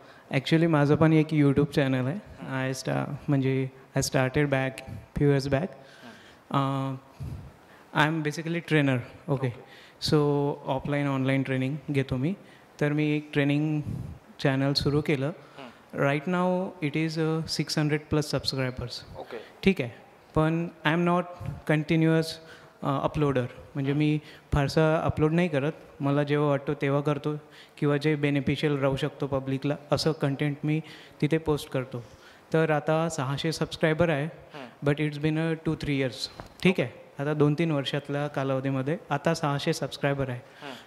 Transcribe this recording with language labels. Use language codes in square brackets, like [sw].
[mr] Actually माझं पण एक यूट्यूब चॅनल आहे. [en] I started back few years back. I am basically trainer. Okay. So offline online training [mr] घेतो मी. तर मी एक ट्रेनिंग चॅनल सुरू केलं. [en] Right now it is 600+ subscribers. Okay. [mr] ठीक आहे. पण [en] I am not continuous uploader. [mr] म्हणजे मी फारसा अपलोड नाही करत. मला जेव्हा वाटतो तेव्हा करतो किंवा जे बेनिफिशियल राहू शकतो पब्लिकला असं कंटेंट मी तिथे पोस्ट करतो. तर आता 600 सबस्क्रायबर आहे. [en] But it's been 2-3 years. [mr] ठीक आहे. आता 2-3 वर्षातल्या कालावधीमध्ये आता 600 सबस्क्रायबर आहे.